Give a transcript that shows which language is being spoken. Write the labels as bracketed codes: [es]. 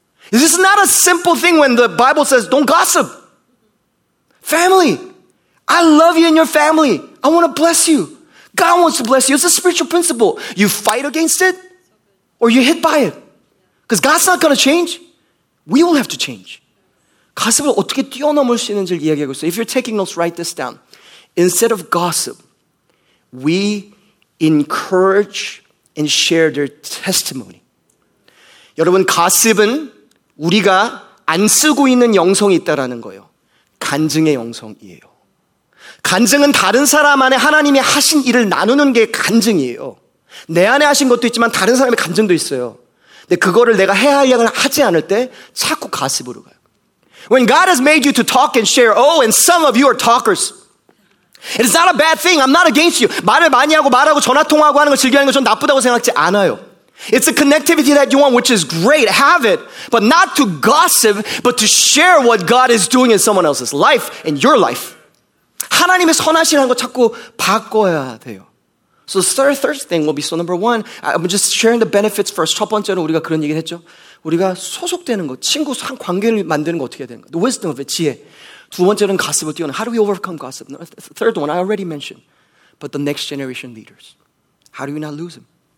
[en] This is not a simple thing when the Bible says don't gossip. Family, I love you and your family. I want to bless you. God wants to bless you. It's a spiritual principle. You fight against it or you hit by it. Because God's not going to change. We will have to change. [ko] 가슴을 어떻게 뛰어넘을 수 있는지를 이야기하고 있어요. [en] If you're taking notes, write this down. Instead of gossip, we encourage and share their testimony. [ko] 여러분, 가십은 우리가 안 쓰고 있는 영성이 있다라는 거예요. 간증의 영성이에요. 간증은 다른 사람 안에 하나님이 하신 일을 나누는 게 간증이에요. 내 안에 하신 것도 있지만 다른 사람의 간증도 있어요. 근데 그거를 내가 해야 할 양을 하지 않을 때 자꾸 가십으로 가요. [en] When God has made you to talk and share, oh, and some of you are talkers. It is not a bad thing. I'm not against you. [ko] 말을 많이 하고 말하고 전화 통화하고 하는 걸 즐기는 건 전 나쁘다고 생각지 않아요. [en] It's a connectivity that you want, which is great. Have it, but not to gossip, but to share what God is doing in someone else's life, in your life. [ko] 하나님의 선하시라는 거 자꾸 바꿔야 돼요. [en] So third thing will be so number one. I'm just sharing the benefits first. [ko] 첫 번째는 우리가 그런 얘기를 했죠. 우리가 소속되는 거, 친구 한 관계를 만드는 거 어떻게 해야 되는 거. [en] The wisdom of it, [ko] 지혜. 두 번째는 가십을 뛰어넘. [en] How do we overcome gossip? Third one, I already mentioned. But the next generation leaders. How do we not lose them?